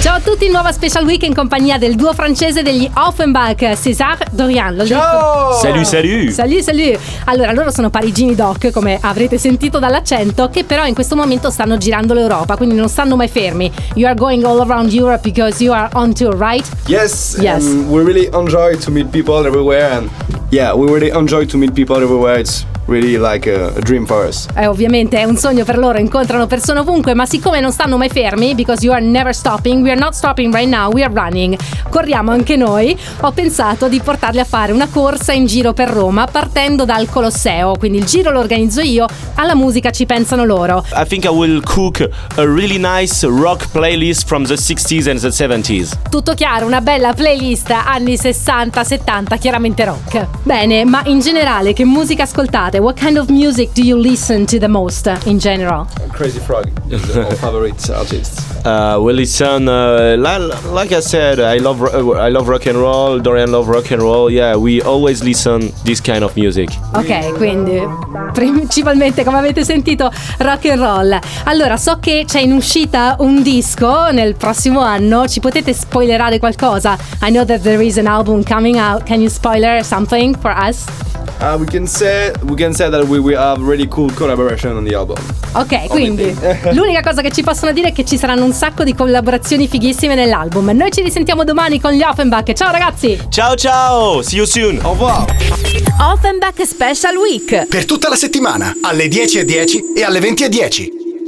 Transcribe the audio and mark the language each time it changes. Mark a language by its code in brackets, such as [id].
[it] Ciao a tutti, nuova Special Week in compagnia del duo francese degli Offenbach, César Dorian. [fr] Salut. [it] Allora, loro sono parigini doc, come avrete sentito dall'accento, che però in questo momento stanno girando l'Europa, quindi non stanno mai fermi. [en] You are going all around Europe because you are on tour, right? Yes. We really enjoy to meet people everywhere and yeah, we really enjoy to meet people everywhere. It's really like a dream for us. [it] Ovviamente è un sogno per loro, incontrano persone ovunque, ma siccome non stanno mai fermi, [en] because you are never stopping, we are not stopping right now, we are running. [it] Corriamo anche noi. Ho pensato di portarli a fare una corsa in giro per Roma, partendo dal Colosseo, quindi il giro lo organizzo io, alla musica ci pensano loro. [en] I think I will cook a really nice rock playlist from the 60s and the 70s. [it] Tutto chiaro, una bella playlist anni 60-70, chiaramente rock. Bene, ma in generale che musica ascoltate? [en] What kind of music do you listen to the most in general? Crazy Frog is our favorite artist. We listen, like I said, I love rock and roll. Dorian love rock and roll. Yeah, we always listen this kind of music. [it] Ok, quindi principalmente, come avete sentito, rock and roll. Allora, so che c'è in uscita un disco nel prossimo anno. Ci potete spoilerare qualcosa? [en] I know that there is an album coming out. Can you spoiler something for us? We can say that we have really cool collaboration on the album. [it] Ok, quindi l'unica cosa che ci possono dire è che ci saranno un sacco di collaborazioni fighissime nell'album. Noi ci risentiamo domani con gli Offenbach. Ciao ragazzi. [en] Ciao. See you soon. [fr] Au revoir. [en] Offenbach Special Week. [it] Per tutta la settimana, alle 10:10 e alle 20:10.